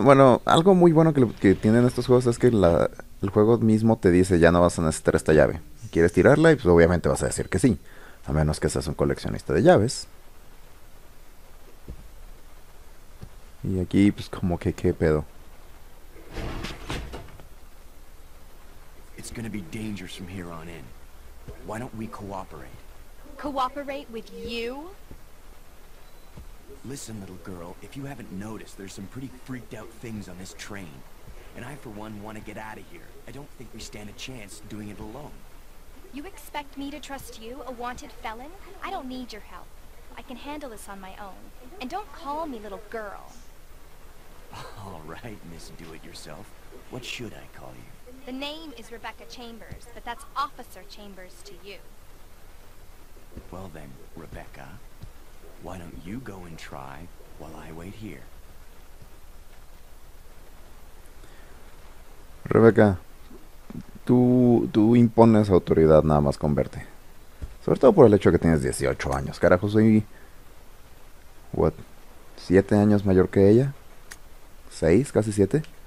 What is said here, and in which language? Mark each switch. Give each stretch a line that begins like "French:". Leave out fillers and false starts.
Spanish: Bueno, algo muy bueno que tienen estos juegos es que el juego mismo te dice, ya no vas a necesitar esta llave. ¿Quieres tirarla? Y pues obviamente vas a decir que sí. A menos que seas un coleccionista de llaves. Y aquí, pues como que, ¿qué pedo?
English: It's gonna be dangerous from here on in. Why don't we cooperate? Cooperate with you? Listen, little girl, if you haven't noticed, there's some pretty freaked out things on this train. And I, for one, want to get out of here. I don't think we stand a chance doing it alone. You expect me to trust you, a wanted felon? I don't need your help. I can handle this on my own. And don't call me little girl. All right, Miss Do-It-Yourself. What should I call you? The name is Rebecca Chambers, but that's Officer Chambers to you. Well then, Rebecca, why don't you go and try while I wait here?
Spanish: Rebecca, tú impones autoridad nada más con verte. Sobre todo por el hecho que tienes 18 años. Carajo, soy... What? ¿7 años mayor que ella? ¿6? ¿Casi 7?